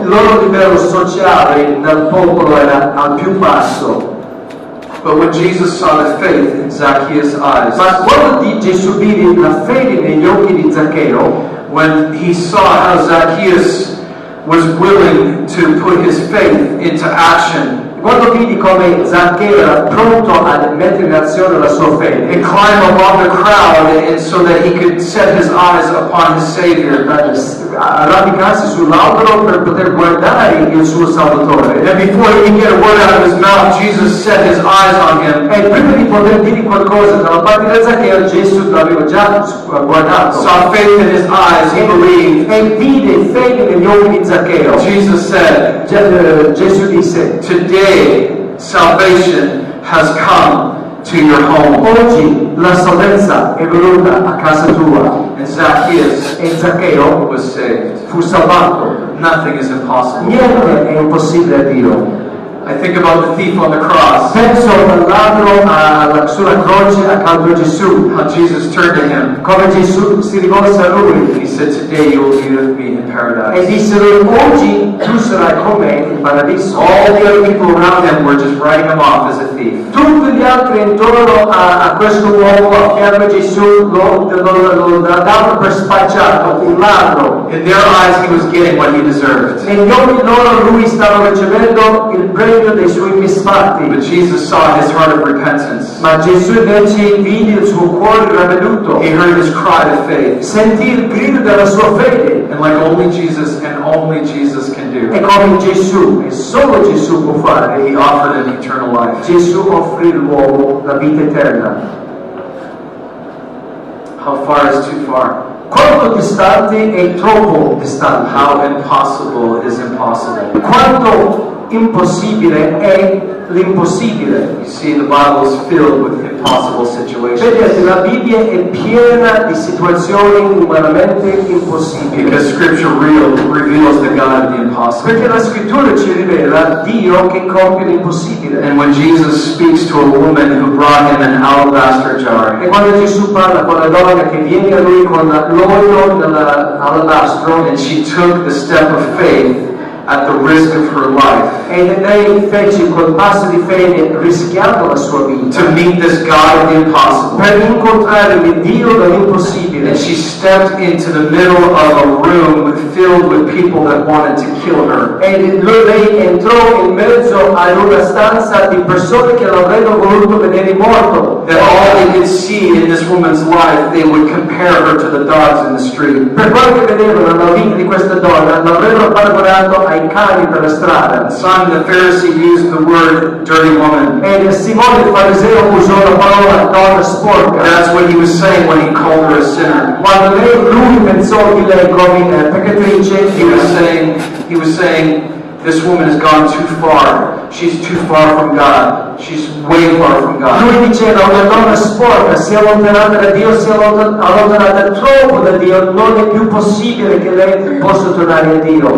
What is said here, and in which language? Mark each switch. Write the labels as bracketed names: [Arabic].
[Italian] Il loro livello sociale nel popolo era al più basso. [English] But when Jesus saw the faith in Zacchaeus' eyes, [Italian] ma quando Gesù vide la fede negli occhi di Zaccheo, [English] when he saw how Zacchaeus was willing to put his faith into action, [Italian] quando vide come Zaccheo era pronto a mettere in azione la sua fede, [English] and climb above the crowd so that he could set his eyes upon his Savior, [Italian] arrampicarsi sull'albero per poter guardare il suo Salvatore. [English] And before he get a word out of his mouth, Jesus set his eyes on him. [Italian] E prima di poter dire qualcosa dalla parte di Zaccheo, Gesù l'aveva già guardato. [English] Saw faith in his eyes, he believed. [Italian] E vide fede negli occhi di Zaccheo. [English] Jesus said, [Italian] Gesù disse, [English] today salvation has come to your home. [Italian] Oggi la salvezza è venuta a casa tua. [English] And Zacchaeus [Italian] and Zaccheo [English] was saved. [Italian] Fu salvato. [English] Nothing is impossible. [Italian] Niente è impossibile a Dio. [English] I think about the thief on the cross. [Italian] Penso al ladro sulla croce accanto a Gesù. [English] How Jesus turned to him. [Italian] Come Gesù si rivolse a lui. [English] He said, today you will be with me in paradise. [Italian] E disse lui, oggi tu sarai con me in paradiso. [English] All the other people around him were just writing him off as a thief. [Italian] Tutti gli altri intorno a questo uomo a chiamare Gesù lo davano per spacciato, un ladro. [English] In their eyes he was getting what he deserved. [Italian] E gli occhi loro lui stava ricevendo il premio dei suoi misfatti. [English] But Jesus saw his heart of repentance. [Italian] Ma Gesù invece vide il suo cuore ravveduto. [English] He heard his cry of faith. [Italian] Sentì il grido della sua fede. [English] And like only Jesus and only Jesus can do. [Italian] E come Gesù, e solo Gesù può fare. [English] He offered an eternal life. [Italian] Gesù offrì l'uomo la vita eterna. [English] How far is too far? [Italian] Quanto distante è troppo distante. [English] How impossible is impossible. [Italian] Quanto impossibile è l'impossibile. [English] You see, the Bible is filled with impossible situations. [Italian] Vedete, la Bibbia è piena di situazioni umanamente impossibili. [English] Because Scripture reveals the God of the impossible. [Italian] Perché la Scrittura ci rivela Dio che compie l'impossibile. [English] And when Jesus speaks to a woman who brought him an alabaster jar. [Italian] E quando Gesù parla con la donna che viene a lui con l'olio dell'alabastro. [English] And she took the step of faith at the risk of her life. [Italian] E lei fece quel passo di fede rischiando la sua vita. [English] To meet this God of the impossible. [Italian] Per incontrare il Dio dell'impossibile. [English] And she stepped into the middle of a room filled with people that wanted to kill her. [Italian] E lei entrò in mezzo a una stanza di persone che l'avrebbero voluto vedere morto. [English] That all they could see in this woman's life, they would compare her to the dogs in the street. [Italian] Per quello che vedevano la vita di questa donna, l'avrebbero paragonato ai cani per la strada. [English] Simon the Pharisee used the word dirty woman. [Italian] And Simone il fariseo usò la parola donna sporca. [English] That's what he was saying when he called her a sinner. [Italian] Quando lui pensò di lei come peccatrice, [English] he was saying, this woman has gone too far. She's too far from God. She's way far from God. [Italian] Lui diceva, una donna sporca, si è allontanata da Dio, si è allontanata troppo da Dio, non è più possibile che lei possa tornare a Dio.